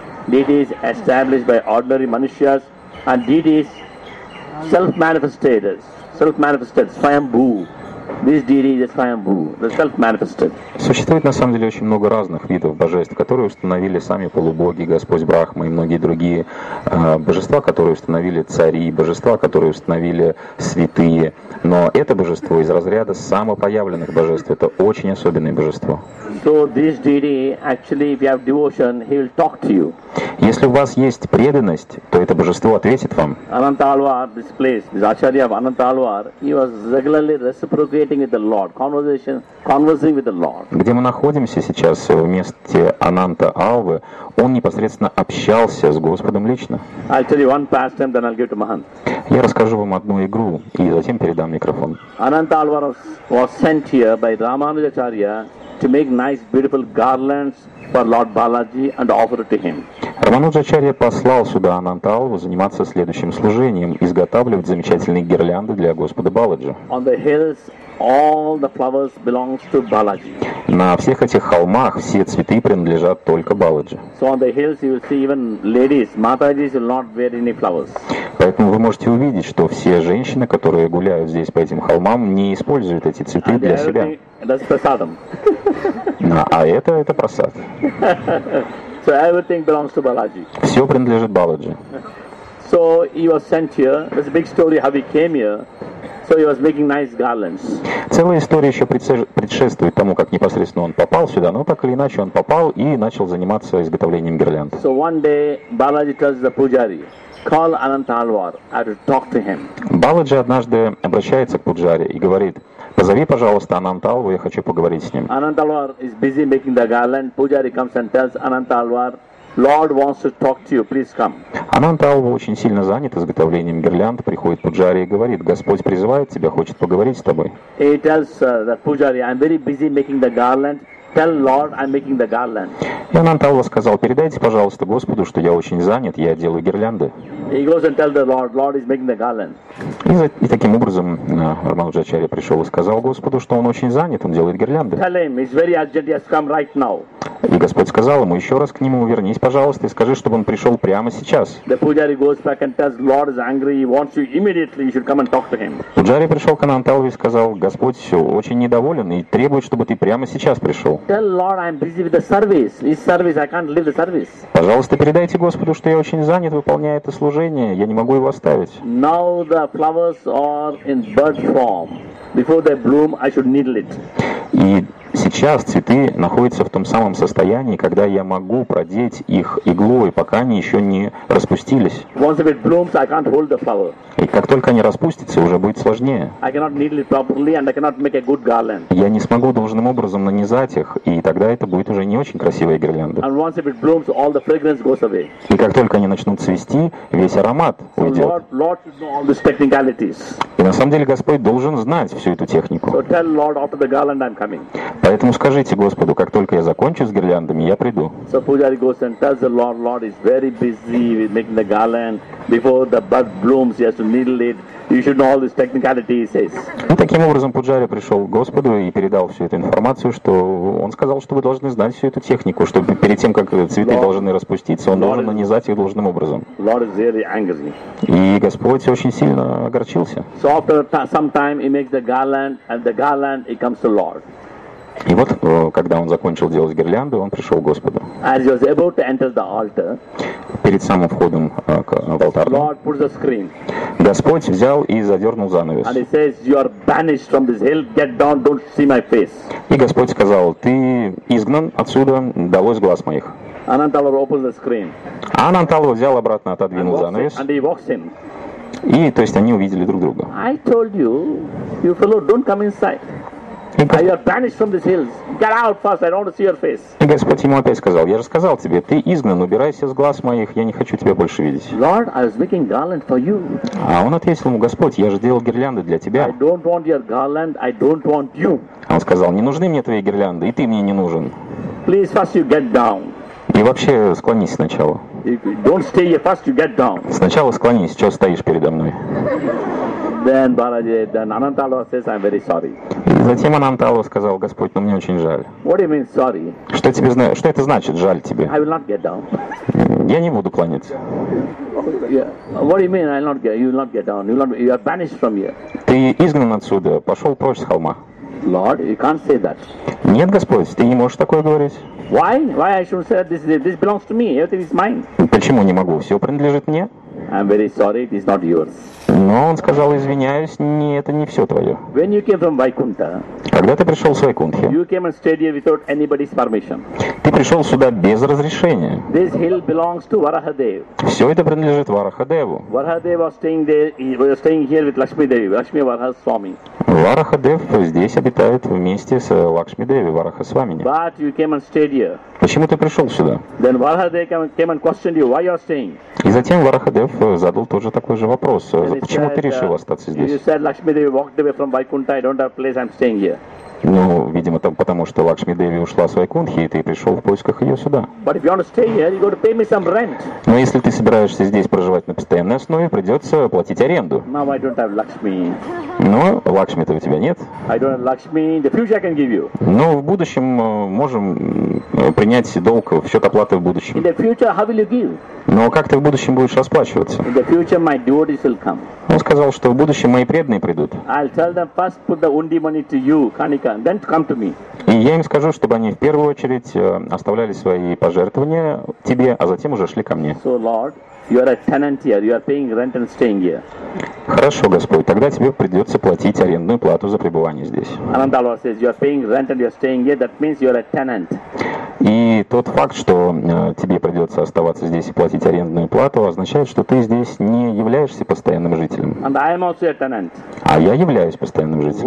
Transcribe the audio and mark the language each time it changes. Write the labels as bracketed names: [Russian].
[English] Deities established by ordinary manushyas and deities self-manifested, svayambhu. These deities are svayambhu, the self-manifested. [Russian] Существует на самом деле очень много разных видов божеств, которые установили сами полубоги, Господь Брахма и многие другие божества, которые установили цари, божества, которые установили святые. Но это божество из разряда самопоявленных божеств, это очень особенное божество. [English] So this deity, actually, if you have devotion, he will talk to you. [Russian] Если у вас есть преданность, то это божество ответит вам. [English] Ananta Alwar, this place, this Acharya of Ananta Alwar, he was regularly reciprocating with the Lord, conversing with the Lord. [Russian] Где мы находимся сейчас, в месте Ананта Алвы, он непосредственно общался с Господом лично. [English] I'll tell you one pastime, then I'll give to Mahant. [Russian] Я расскажу вам одну игру, и затем передам микрофон. [English] Ananta Alwar was sent here by Ramanuja Acharya to make nice, beautiful garlands for Lord Balaji and offer it to him. [Russian] Рамануджа Ачарья послал сюда Ананта Алву заниматься следующим служением, изготавливать замечательные гирлянды для Господа Баладжи. [English] On the hills, all the flowers belong to Balaji. [Russian] На всех этих холмах все цветы принадлежат только Баладжи. [English] So on the hills you will see even ladies, Matajis will not wear any flowers. [Russian] Поэтому вы можете увидеть, что все женщины, которые гуляют здесь по этим холмам, не используют эти цветы для себя. [English] That's prasadam. [Russian] А это прасад. [English] So everything belongs to Balaji. [Russian] Все принадлежит Баладжи. [English] So he was sent here. There's a big story how he came here. So he was making nice garlands. [Russian] Целая история еще предшествует тому, как непосредственно он попал сюда, но так или иначе он попал и начал заниматься изготовлением гирлянд. [English] So one day Balaji tells the pujari, call Ananta Alwar, I will talk to him. [Russian] Баладжи однажды обращается к пуджари и говорит: позови, пожалуйста, Ананта Алву, я хочу поговорить с ним. [English] Ananta Alwar is busy making the garland. Pujari comes and tells Ananta Alwar, Lord wants to talk to you, please come. [Russian] Ананта Алву очень сильно занят изготовлением гирлянд, приходит пуджари и говорит: Господь призывает тебя, хочет поговорить с тобой. [English] He tells the pujari, I'm very busy making the garland. Tell Lord, I'm making the garland. [Russian] И Ананта Алву сказал: передайте, пожалуйста, Господу, что я очень занят, я делаю гирлянды. [English] He goes and tells the Lord, Lord is making the garland. [Russian] И таким образом Рамануджа Ачарья пришел и сказал Господу, что он очень занят, он делает гирлянды. [English] Tell him, it's very urgent, he has come right now. [Russian] И Господь сказал ему, еще раз к нему вернись, пожалуйста, и скажи, чтобы он пришел прямо сейчас. Пуджари пришел к Анантелви и сказал, Господь все очень недоволен и требует, чтобы ты прямо сейчас пришел. Пожалуйста, передайте Господу, что я очень занят, выполняя это служение, я не могу его оставить. [English] Now the flowers are in bird form. Before they bloom, I should needle it. [Russian] И сейчас цветы находятся в том самом состоянии, когда я могу продеть их иглой, пока они еще не распустились. [English] Once it blooms, I can't hold the flower. [Russian] И как только они распустятся, уже будет сложнее. [English] I cannot needle it properly and I cannot make a good garland. [Russian] Я не смогу должным образом нанизать их, и тогда это будет уже не очень красивая гирлянда. [English] And once it blooms, all the fragrance goes away. [Russian] И как только они начнут цвести, весь аромат уйдет. [English] Lord should know all these technicalities. [Russian] И на самом деле Господь должен знать всю эту технику. [English] So tell Lord after the garland I'm coming. [Russian] Поэтому скажите Господу, как только я закончу с гирляндами, я приду. [English] So Pujari goes and tells the Lord, Lord is very busy with making the garland. Before the bud blooms, he has to needle it. You should know all these technicalities, he says. [Russian] И таким образом Пуджари пришел к Господу и передал всю эту информацию, что он сказал, что вы должны знать всю эту технику, что перед тем, как цветы [English] Lord, [Russian] должны распуститься, он должен нанизать их должным образом. [English] Lord is very angry. [Russian] И Господь очень сильно огорчился. [English] So after some time he makes the garland, and the garland it comes to Lord. [Russian] И вот, когда он закончил делать гирлянды, он пришел к Господу. [English] As he was about to enter the altar, [Russian] перед самым входом в алтарь, [English] Lord put the screen. [Russian] Господь взял и задернул занавес. [English] And he says, you are banished from this hill, get down, don't see my face. [Russian] И Господь сказал, ты изгнан отсюда, долой с глаз моих. [English] Анантала opened the screen. [Russian] Анантала взял обратно, отодвинул занавес. [English] And he walks in. [Russian] И, то есть, они увидели друг друга. [English] I told you, you fellow, don't come inside. You are banished from these hills. Get out first. I don't want to see your face. [Russian] И Господь ему опять сказал: Я же сказал тебе, ты изгнан. Убирайся с глаз моих. Я не хочу тебя больше видеть. [English] Lord, I was making garland for you. [Russian] А он ответил ему: Господь, я же делал гирлянды для тебя. [English] I don't want your garland. I don't want you. [Russian] Он сказал: Не нужны мне твои гирлянды, и ты мне не нужен. [English] Please, first you get down. [Russian] И вообще склонись сначала. [English] Don't stay here first. You get down. [Russian] Сначала склонись. Чего стоишь передо мной? [English] Then Balaji, then Anantala says, I'm very sorry. [Russian] Затем Анантала сказал, Господь, ну мне очень жаль. [English] What do you mean, sorry? [Russian] Что тебе знаешь? Что это значит, жаль тебе? [English] I will not get down. [Russian] Я не буду кланяться. [English] Yeah. What do you mean, I'll not get, you will not get down? You will not, you are banished from here. [Russian] Ты изгнан отсюда, пошел прочь с холма. [English] Lord, you can't say that. [Russian] Нет, Господь, ты не можешь такое говорить. [English] Why? Why I should say that this belongs to me? Everything is mine. [Russian] Почему не могу? Все принадлежит мне. [English] I'm very sorry, it is not yours. [Russian] Но он сказал, извиняюсь, не, это не все твое. [English] When you came from Vaikuntha, [Russian] когда ты пришел с Вайкунтхи, [English] you came and stayed here without anybody's permission. [Russian] Ты пришел сюда без разрешения. [English] This hill belongs to Varahadev. [Russian] Все это принадлежит Варахадеву. [English] Varahadev was staying there, he was staying here with Lakshmi Devi, Lakshmi Varaha Swami. [Russian] Варахадев здесь обитает вместе с Лакшми Деви, Вараха Свамини. [English] But you came and stayed here. [Russian] Почему ты пришел сюда? [English] Then Varahadev came and questioned you, why you are staying? [Russian] И затем Варахадев задал тот же такой же вопрос. Почему ты решил остаться здесь? [English] You said Lakshmi Devi walked away from Vaikuntha. I don't have place. I'm staying here. [Russian] Ну, видимо, там потому что Лакшми Деви ушла с Вайкунтхи, и ты пришел в поисках ее сюда. [English] But if you want to stay here, you got to pay me some rent. [Russian] Но если ты собираешься здесь проживать на постоянной основе, придется платить аренду. [English] Now I don't have Lakshmi. [Russian] Но Лакшми-то у тебя нет. [English] I don't have Lakshmi. The future I can give you. [Russian] Но в будущем можем принять долг в счет оплаты в будущем. [English] In the future, how will you give? [Russian] Но как ты в будущем будешь расплачиваться? [English] In the future, my devotees will come. [Russian] Он сказал, что в будущем мои преданные придут. [English] I'll tell them first put the undi money to you, Kanika. Then come to me. [Russian] И я им скажу, чтобы они в первую очередь оставляли свои пожертвования тебе, а затем уже шли ко мне. [English] So Lord, you are a tenant here. You are paying rent and staying here. [Russian] Хорошо, Господь, тогда тебе придется платить арендную плату за пребывание здесь. [English] Anandala says, you are paying rent and you are staying here. That means you are a tenant. [Russian] И тот факт, что тебе придется оставаться здесь и платить арендную плату, означает, что ты здесь не являешься постоянным жителем. [English] And I am also a tenant. [Russian] А я являюсь постоянным жителем.